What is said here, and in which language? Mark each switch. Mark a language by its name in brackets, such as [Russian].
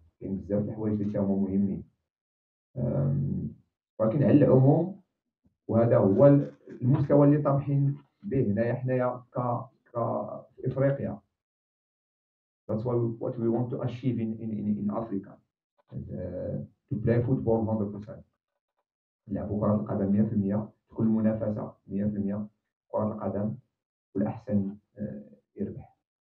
[Arabic] كاين بزاف الحوايج اللي كانوا مهمين. ولكن على العموم وهذا هو المستوى اللي طامحين به هنايا حنايا ك افريقيا. [English] That's what we want to achieve in Africa. To play football 100%. [Arabic] نلعبوا كرة القدم 100%، تكون المنافسة 100%، كرة القدم والأحسن يربح.